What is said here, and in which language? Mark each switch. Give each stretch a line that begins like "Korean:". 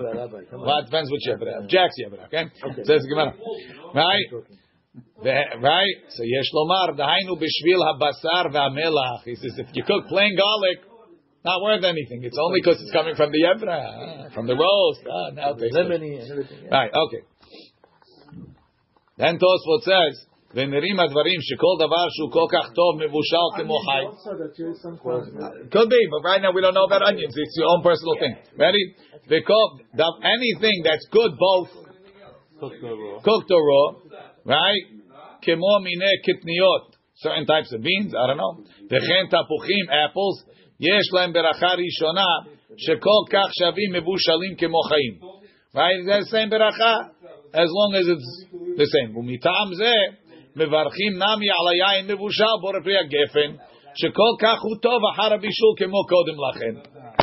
English: Well, it depends which Yevra. Jack's Yevra, okay? Says Gemara.
Hebrew: Right? So Yesh Lomar, Dahainu Bishvil HaBasar VaMelach.
English: He says, if you cook plain garlic, not worth anything. It's only because it's coming from the Yevra, from the roast. Ah, now the lemony and everything. Yeah. Right, okay.
Hebrew: Then Tosfot says, ונראים הדברים שכל דבר שהוא כל כך טוב מבושל כמו חי.
English: Could be, but right now we don't know about onions. It's your own personal thing. Ready? Because anything that's good both cooked or raw, right?
Hebrew: כמו מיני קטניות,
English: certain types of beans, I don't know.
Hebrew: וכן תפוחים,
English: apples,
Hebrew: יש להם ברכה ראשונה שכל כך שווים מבושלים כמו חיים.
English: Right? The same ברכה, as long as it's the same.
Hebrew: ומטעם זה, מברכים נמי על היין מבושל בורא פרי הגפן שכל כך הוא טוב אחר הבישול כמו קודם לכן.